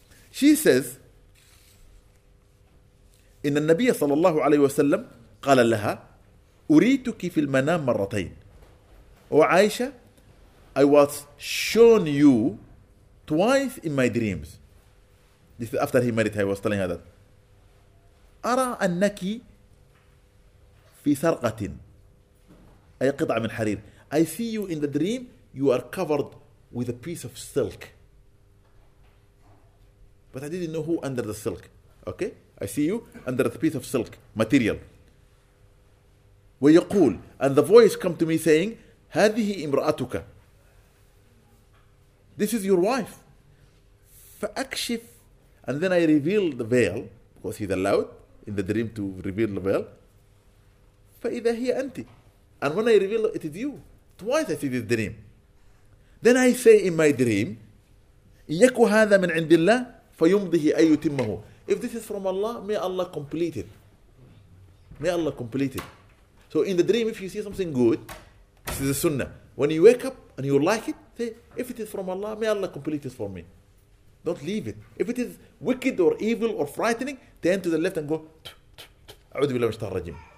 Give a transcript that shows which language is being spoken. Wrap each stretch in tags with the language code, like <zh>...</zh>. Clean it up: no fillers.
<en>She says,</en> <ar>إن النبي صلى الله عليه وسلم قال لها أريتك في المنام مرتين وعائشة</ar> <en>I was shown you twice in my dreams. This is after he married her, he was telling her that.</en> <ar>أرى أنك في سرقة أي قطعة من حرير.</ar> <en>I see you in the dream, you are covered with a piece of silk. But I didn't know who under the silk. Okay? I see you under the piece of silk, material.</en> <ar>ويقول,</ar> <en>and the voice come to me saying,</en> <ar>هذه امرأتك.</ar> <en>This is your wife.</en> <ar>فأكشف,</ar> <en>and then I reveal the veil, because he's allowed in the dream to reveal the veil.</en> <ar>فإذا هي أنت.</ar> <en>And when I reveal it is you. Twice I see this dream. Then I say in my dream,</en> <ar>إياك هذا من عند الله فيمضيه أي يتمه.</ar> <en>If this is from Allah, may Allah complete it. May Allah complete it. So in the dream, if you see something good, this is a sunnah. When you wake up and you like it, say, if it is from Allah, may Allah complete it for me. Don't leave it. If it is wicked or evil or frightening, turn to the left and go,</en> <ar>أعوذ بالله من الشيطان الرجيم.</ar>